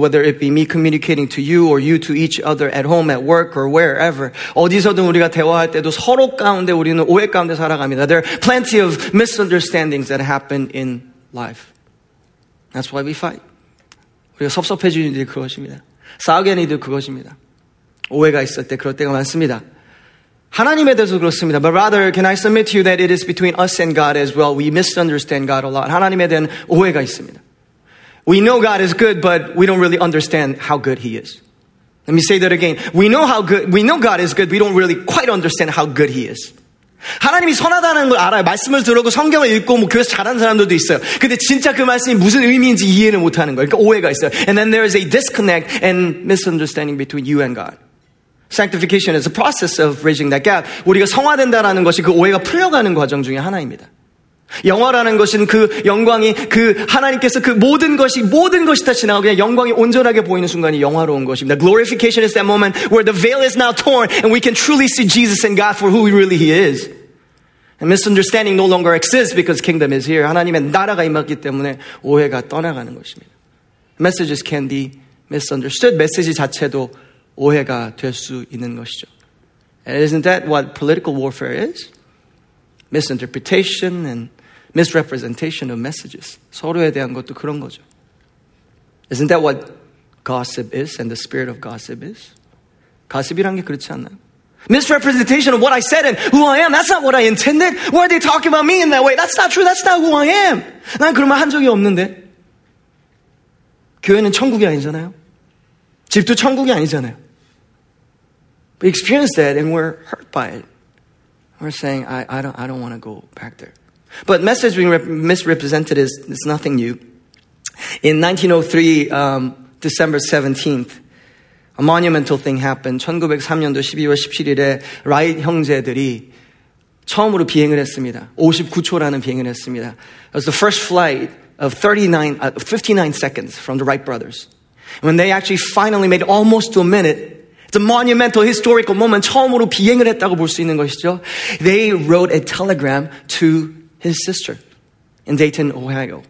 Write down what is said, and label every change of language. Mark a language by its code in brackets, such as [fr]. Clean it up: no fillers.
[en] Whether it be me communicating to you or you to each other at home, at work, or wherever. [ko] 어디서든 우리가 대화할 때도 서로 가운데 우리는 오해 가운데 살아갑니다. [en] There are plenty of misunderstandings that happen in life. That's why we fight. [ko] 우리가 섭섭해지는 일이 그것입니다. 싸우게는 일도 그것입니다. 오해가 있을 때 그럴 때가 많습니다. 하나님에 대해서 그렇습니다. [en] But rather, can I submit to you that it is between us and God as well. We misunderstand God a lot. [ko] 하나님에 대한 오해가 있습니다. [en] We know God is good, but we don't really understand how good He is. Let me say that again. We know God is good, we don't really quite understand how good He is. [ko] 하나님이 선하다는 걸 알아요. 말씀을 들어고 성경을 읽고 뭐 교회에서 잘하는 사람들도 있어요. 근데 진짜 그 말씀이 무슨 의미인지 이해는 못하는 거예요. 그러니까 오해가 있어요. [en] And then there is a disconnect and misunderstanding between you and God. Sanctification is a process of bridging that gap. [ko] 우리가 성화된다라는 것이 그 오해가 풀려가는 과정 중에 하나입니다. 영화라는 것은 그 영광이 그 하나님께서 그 모든 것이 다 지나가고 그냥 영광이 온전하게 보이는 순간이 영화로운 것입니다. [en] Glorification is that moment where the veil is now torn and we can truly see Jesus and God for who he really is. And misunderstanding no longer exists because kingdom is here. [ko] 하나님의 나라가 임하기 때문에 오해가 떠나가는 것입니다. [en] Messages can be misunderstood. [ko] 메시지 자체도 오해가 될 수 있는 것이죠. [en] And isn't that what political warfare is? Misinterpretation and misrepresentation of messages. [ko] 서로에 대한 것도 그런 거죠. [en] Isn't that what gossip is and the spirit of gossip is? [ko] Gossip이란 게 그렇지 않나요? [en] Misrepresentation of what I said and who I am. That's not what I intended. Why are they talking about me in that way? That's not true. That's not who I am. [ko] 난 그런 말 한 적이 없는데. 교회는 천국이 아니잖아요. 집도 천국이 아니잖아요. [en] We experience that and we're hurt by it. We're saying, I don't want to go back there. But message being misrepresented is nothing new. In 1903, December 17th, a monumental thing happened. [ko] 1903년도 12월 17일에 라잇 형제들이 처음으로 비행을 했습니다. 59초라는 비행을 했습니다. [en] It was the first flight of 59 seconds from the Wright brothers. When they actually finally made almost to a minute, it's a monumental historical moment. [ko] 처음으로 비행을 했다고 볼 수 있는 것이죠. [en] They wrote a telegram to his sister in Dayton, Ohio.